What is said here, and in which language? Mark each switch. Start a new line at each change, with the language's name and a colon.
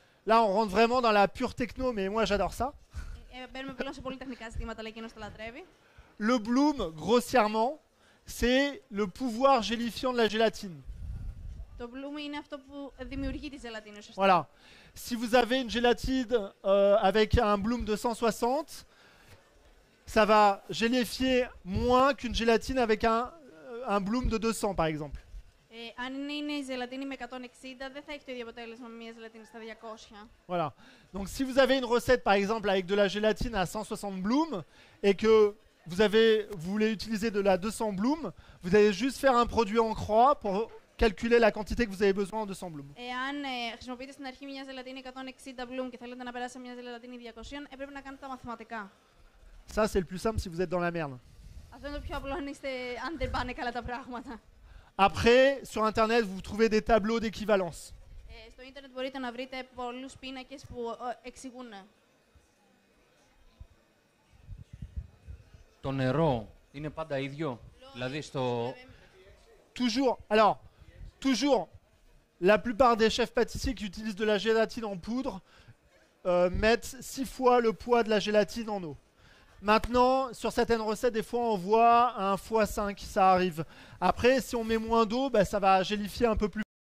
French: Là, on rentre vraiment dans la pure techno, mais moi, j'adore ça.
Greek: Μπαίνουμε πλέον σε πολύ τεχνικά ζητήματα, λέει εκείνος το λατρεύει.
French: Le bloom, grossièrement, c'est le pouvoir gélifiant de la gélatine.
Greek: Το bloom είναι αυτό που δημιουργεί τη ζελατίνη, σωστά.
French: Voilà. Si vous avez une gélatine avec un bloom de 160, ça va gélifier moins qu'une gélatine avec un bloom de 200, par exemple.
Greek: Αν είναι η ζελατίνη με 160, δεν θα έχει το ίδιο αποτέλεσμα με μια ζελατίνη στα 200.
French: Voilà. Donc si vous avez une recette, par exemple, avec de la gélatine à 160 bloom, et que vous voulez utiliser de la 200 bloom, vous allez juste faire un produit en croix pour calculer la quantité que vous avez besoin en 200 bloom.
Greek: Εάν χρησιμοποιείτε στην αρχή μια ζελατίνη 160 bloom και θέλετε να περάσετε μια ζελατίνη 200, πρέπει να κάνετε τα μαθηματικά.
French: Ça, c'est le plus simple si vous êtes dans la merde.
Greek: Αυτό είναι το πιο απλό αν δεν πάνε καλά τα πράγματα.
French: Après, sur Internet, vous trouvez des tableaux d'équivalence.
Greek: Στο Internet μπορείτε να βρείτε πολλούς πίνακες που εξηγούν. Το νερό είναι πάντα ίδιο, δηλαδή στο...
French: Toujours, alors, toujours, la plupart des chefs pâtissiers qui utilisent de la gélatine en poudre mettent 6 fois le poids de la gélatine en eau. Maintenant, sur certaines recettes, des fois, on voit un x5, ça arrive. Après, si on met moins d'eau, bah, ça va gélifier un peu plus.